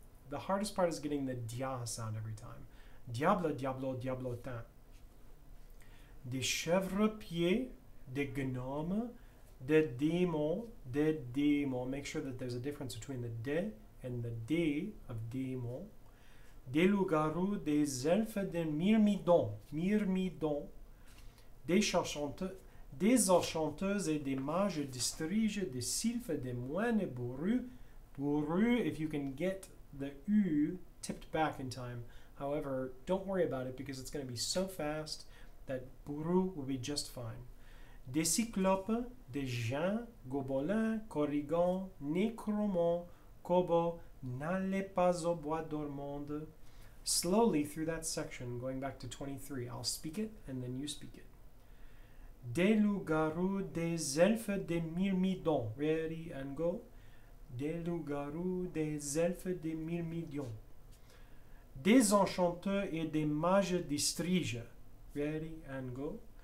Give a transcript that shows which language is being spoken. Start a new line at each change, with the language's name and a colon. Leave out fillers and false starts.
English: The hardest part is getting the dia sound every time.
French: Diable, diablo, diablotin. Des chèvres-pieds, des gnomes, des démons, des démons.
English: Make sure that there's a difference between the de and the de of démon.
French: Des loups-garous, des elfes, des myrmidons, myrmidons. Des enchanteuses et des mages, des striges, des sylphes, des moines, bourrus.
English: Bourrus, if you can get the U tipped back in time. However, don't worry about it because it's going to be so fast that bourrus will be just fine.
French: Des cyclopes, des gens, gobelins, corrigans, nécromants, kobolds, n'allez pas au bois dormant.
English: Slowly through that section, going back to 23, I'll speak it and then you speak it.
French: Des loups-garous, des elfes, des myrmidons.
English: Ready and go.
French: Des loups-garous, des elfes, des myrmidons. Des enchanteurs et des mages des striges.
English: Ready and go.